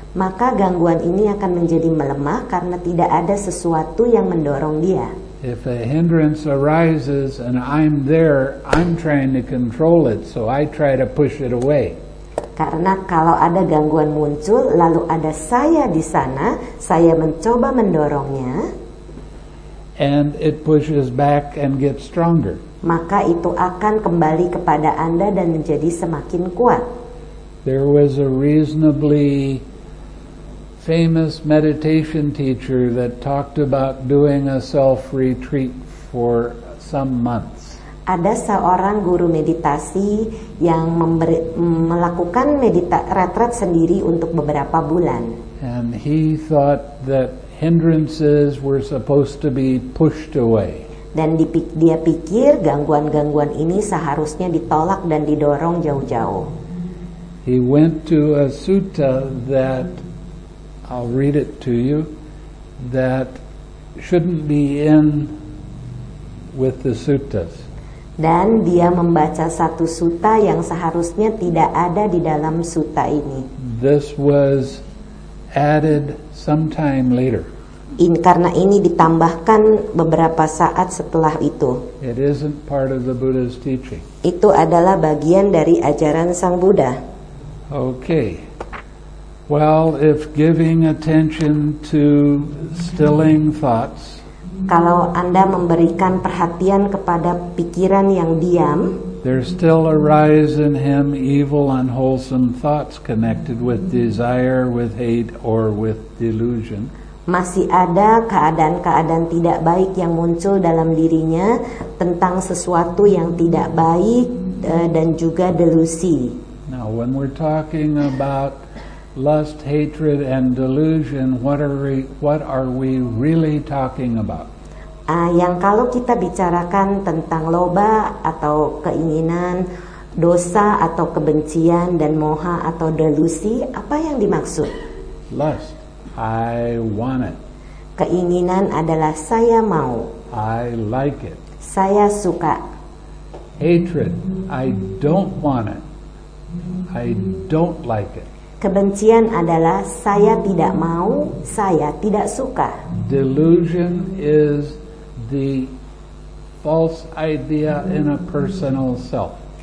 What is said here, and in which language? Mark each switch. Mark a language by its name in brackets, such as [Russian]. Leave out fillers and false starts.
[Indonesian] Maka gangguan ini akan menjadi melemah karena tidak ada sesuatu yang mendorong dia. [English] If a hindrance arises and I'm there, I'm trying to control it, so I try to push it away. [Indonesian] Karena kalau ada gangguan muncul, lalu ada saya di sana, saya mencoba mendorongnya. [English] And it pushes back and gets stronger. [Indonesian] Maka itu akan kembali kepada Anda dan menjadi semakin kuat. [English] There was a reasonably famous meditation teacher that talked about doing a self retreat for some months. [Indonesian] Ada seorang guru meditasi yang melakukan retret sendiri untuk beberapa bulan. [English] And he thought that hindrances were supposed to be pushed away. [Indonesian] Dan dia pikir gangguan-gangguan ini seharusnya ditolak dan didorong jauh-jauh. [English] He went to a sutta that I'll read it to you, that shouldn't be in with the suttas. [Indonesian] Dan dia membaca satu sutta yang seharusnya tidak ada di dalam sutta ini. [English] This was added sometime later. [Indonesian] In karena ini ditambahkan beberapa saat setelah itu. [English] It isn't part of the Buddha's teaching. [Indonesian] Itu adalah bagian dari ajaran Sang Buddha. [English] Okay. Well, if giving attention to stilling thoughts. [Indonesian] Kalau Anda memberikan perhatian kepada pikiran yang diam, [English] there still arise in him evil unwholesome thoughts connected with desire, with hate, or with delusion. [Indonesian] Masih ada keadaan-keadaan tidak baik yang muncul dalam dirinya tentang sesuatu yang tidak baik dan juga delusi. [English] Now, when we're talking about lust, hatred, and delusion, what are we really talking about? [Indonesian] Yang kalau kita bicarakan tentang loba atau keinginan, dosa atau kebencian, dan moha atau delusi, apa yang dimaksud? [English] Lust. I want it. [Indonesian] Keinginan adalah saya mau. [English] I like it. [Indonesian] Saya suka. [English] Hatred. I don't want it. I don't like it. [Indonesian] Kebencian adalah saya tidak mau, saya tidak suka. [English] Delusion is the false idea in a personal self.